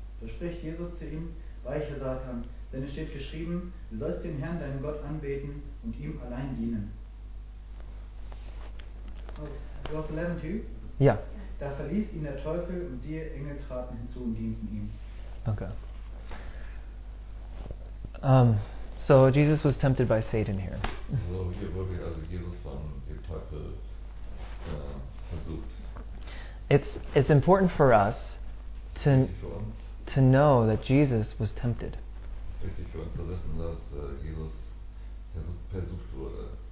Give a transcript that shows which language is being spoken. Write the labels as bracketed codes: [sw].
[de] Da spricht Jesus zu ihm: Weiche, Satan, denn es steht geschrieben, du sollst den Herrn, deinen Gott, anbeten und ihm allein dienen. Vers 11, too? Ja. Da verließ ihn der Teufel und siehe, Engel traten hinzu und dienten ihm. Okay. [en] So Jesus was tempted by Satan here. [de] So hier wurde also Jesus von dem Teufel versucht. [en] It's important for us to know that Jesus was tempted. [de] Es ist wichtig für uns zu wissen, dass Jesus versucht wurde.